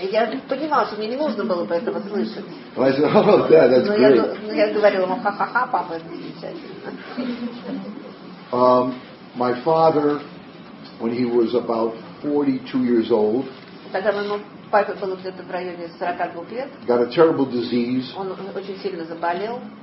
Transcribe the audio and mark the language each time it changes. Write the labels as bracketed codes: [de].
[ru] Я понимала, что мне не нужно было бы этого слышать. [en] But I said, oh, Dad, that's great. [ru] Я говорила ему, ха-ха-ха, папа, это замечательно. [en] My father, when he was about 42 years old, [ru] когда моему папе было где-то в районе 42 лет, [en] got a terrible disease, [ru] он очень сильно заболел,